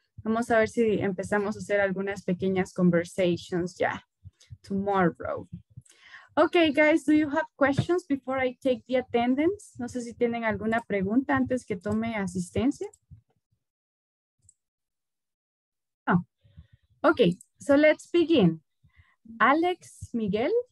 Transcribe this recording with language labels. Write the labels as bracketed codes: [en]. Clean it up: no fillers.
[es] Vamos a ver si empezamos a hacer algunas pequeñas conversations ya tomorrow. [en] Okay, guys, do you have questions before I take the attendance? [es] No sé si tienen alguna pregunta antes que tome asistencia. [en] Oh. Okay, so let's begin. Alex, Miguel.